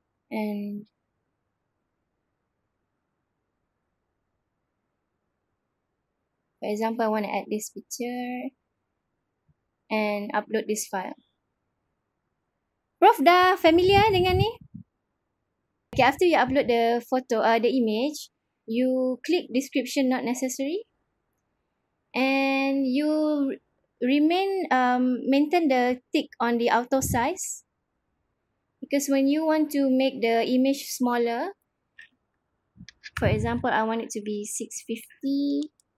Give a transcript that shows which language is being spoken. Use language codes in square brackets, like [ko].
[en] And for example, I want to add this picture and upload this file. [ms] Prof, dah familiar dengan ni? [en] Okay, after you upload the photo, the image, you click description not necessary. And you remain, maintain the tick on the auto size. Because when you want to make the image smaller, for example, I want it to be 650.